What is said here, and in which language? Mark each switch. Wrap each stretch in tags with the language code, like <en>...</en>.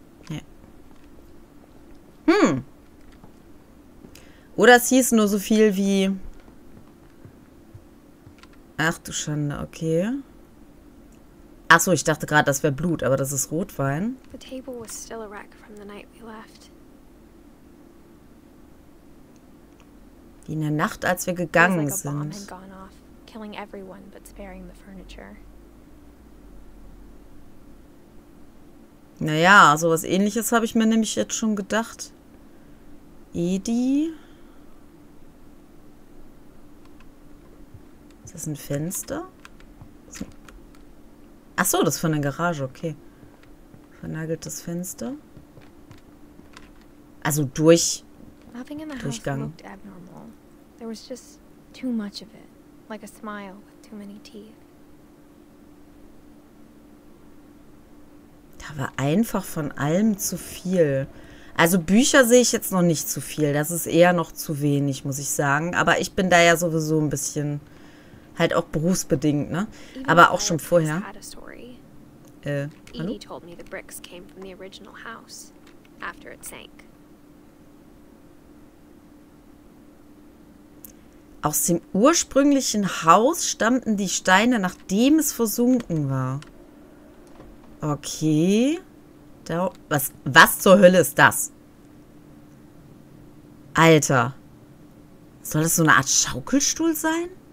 <de>Ja. Oder es hieß nur so viel wie... Ach du Schande, okay. Ach so, ich dachte gerade, das wäre Blut, aber das ist Rotwein.</de> <en>The table was still a wreck from the night we left.</en> <de>Wie in der Nacht, als wir gegangen sind.</de> <en>Killing everyone but sparing the furniture.</en> <de>Naja, sowas ähnliches habe ich mir nämlich jetzt schon gedacht. Edie? Ist das ein Fenster? Achso, das ist von der Garage, okay. Vernageltes Fenster. Also durch.</de> <en>Nothing in the Durchgang. House looked abnormal. There was just too much of it. Like a smile with too many teeth.</en> <de>Da war einfach von allem zu viel. Also Bücher sehe ich jetzt noch nicht zu viel. Das ist eher noch zu wenig, muss ich sagen. Aber ich bin da ja sowieso ein bisschen halt auch berufsbedingt, ne? Aber auch schon vorher.</de> <en>Edie told me the bricks came from the original house after it sank.</en> <de>Aus dem ursprünglichen Haus stammten die Steine, nachdem es versunken war. Okay. Da, was zur Hölle ist das? Alter. Soll das so eine Art Schaukelstuhl sein?</de>